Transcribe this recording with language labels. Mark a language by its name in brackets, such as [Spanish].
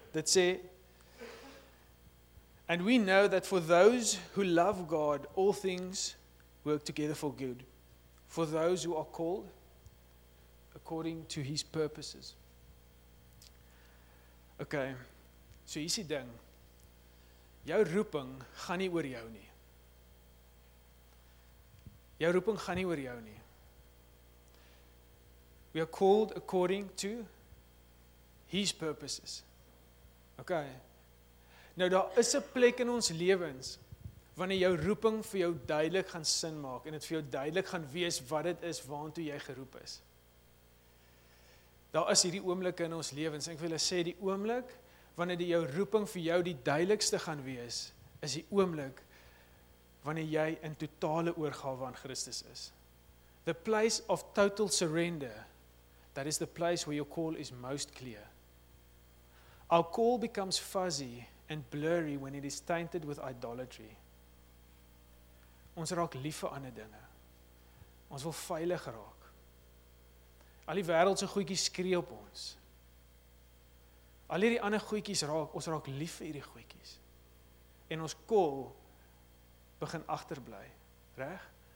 [Afrikaans] Dit sê, [English] and we know that for those who love God, all things work together for good. For those who are called according to his purposes. [Afrikaans] Ok, so hier is die ding, jou roeping gaan nie oor jou nie. Jou roeping gaan nie oor jou nie. [English] We are called according to his purposes. [Afrikaans] Ok, nou daar is 'n plek in ons lewens, wanneer jou roeping vir jou duidelik gaan sin maak, en het vir jou duidelik gaan wees wat het is, waantoe jy geroep is. Daar is hierdie oomblik in ons lewens, en ek wil sê, die oomblik, wanneer die jou roeping vir jou die duidelikste gaan wees, is die oomblik, wanneer jy in totale oorgawe aan Christus is. [English] The place of total surrender, that is the place where your call is most clear. Our call becomes fuzzy and blurry when it is tainted with idolatry. [Afrikaans] Ons raak lief vir ander dinge. Ons wil veilig raak. Al die wereldse goeikies skree op ons. Al die ander goeikies raak, ons raak lief vir die goeikies. En ons kol begin agterbly. Reg?